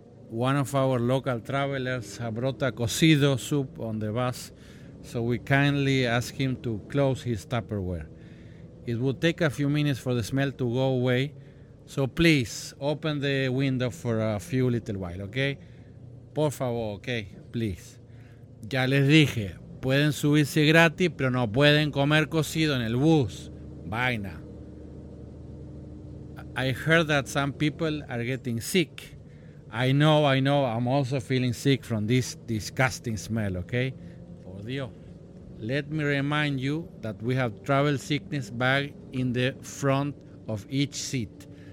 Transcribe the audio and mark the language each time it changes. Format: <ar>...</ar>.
<en>One of our local travelers brought a cocido soup on the bus, so we kindly ask him to close his Tupperware. It would take a few minutes for the smell to go away, so please open the window for a few little while, okay?</en> <es>Por favor,</es> <en>okay, please.</en> <es>Ya les dije, pueden subirse gratis, pero no pueden comer cocido en el bus. Vaina.</es> <en>I heard that some people are getting sick. I know, I'm also feeling sick from this disgusting smell, okay?</en> <es>Por Dios.</es> <en>Let me remind you that we have travel sickness bag in the front of each seat.</en>